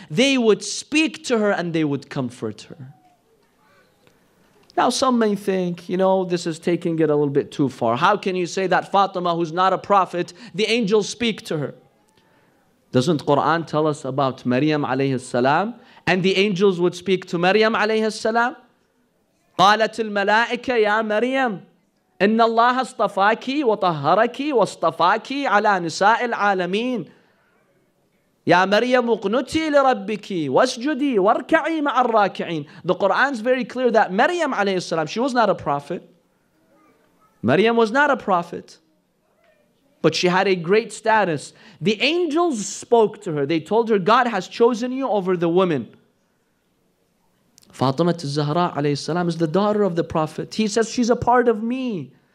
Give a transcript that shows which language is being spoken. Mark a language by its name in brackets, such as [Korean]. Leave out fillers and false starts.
[English] They would speak to her and they would comfort her. Now some may think, you know, this is taking it a little bit too far. How can you say that Fatima, who's not a prophet, the angels speak to her? Doesn't Quran tell us about Maryam alayhi salam and the angels would speak to Maryam alayhi salam? [Arabic] قالت الملائكة يا مريم إن الله اصطفاك وطهرك واصطفاك على نساء العالمين يا مريم اقنتي لربك واسجدي واركعي مع الراكعين. [English] The Quran is very clear that Maryam عليه السلام, she was not a prophet. Maryam was not a prophet, but she had a great status. The angels spoke to her. They told her, God has chosen you over the women. Fatima al-Zahra alayhi salam is the daughter of the Prophet. He says, she's a part of me.